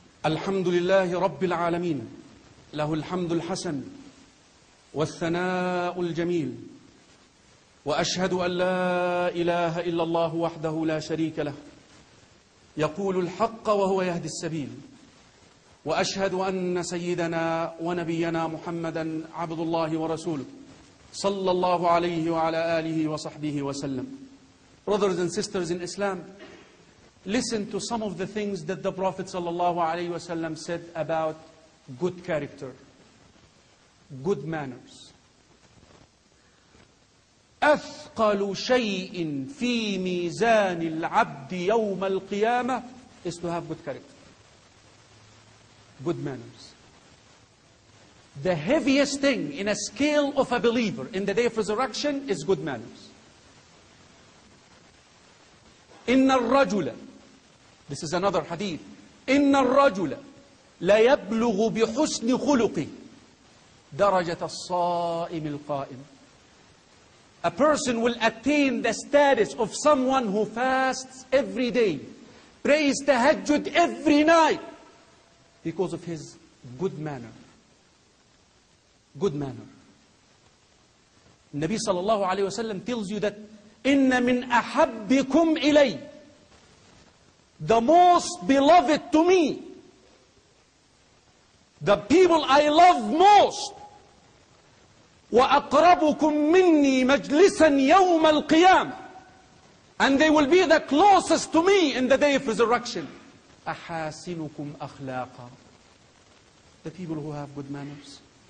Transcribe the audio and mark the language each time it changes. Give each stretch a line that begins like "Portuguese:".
Arabic: الحمد لله رب العالمين، له الحمد الحسن والثناء الجميل، وأشهد أن لا إله إلا الله وحده لا شريك له، يقول الحق وهو يهدي السبيل، وأشهد أن سيدنا ونبينا محمدًا عبد الله ورسوله صلى الله عليه وعلى آله وصحبه وسلم.
English: Brothers and sisters in Islam, listen to some of the things that the Prophet
Arabic: صلى الله عليه وسلم
English: said about good character, good manners.
Arabic: أثقل شيء في ميزان العبد يوم القيامة
English: is to have good character, good manners. The heaviest thing in a scale of a believer in the day of resurrection is good manners.
Arabic: إن الرجل,
English: this is another hadith,
Arabic: إن الرجل ليبلغ بحسن خلقه درجة الصائم القائم.
English: A person will attain the status of someone who fasts every day, prays tahajjud every night, because of his good manner. Good manner. Nabi sallallahu alayhi wa sallam tells you that
Arabic: إِنَّ مِنْ أَحَبِّكُمْ إِلَيْ,
English: the most beloved to me, the people I love most,
Arabic: وَأَقْرَبُكُمْ مِنِّي مَجْلِسًا يَوْمَ الْقِيَامَةِ,
English: and they will be the closest to me in the day of resurrection,
Arabic: أَحَاسِنُكُمْ أَخْلَاقًا,
English: the people who have good manners,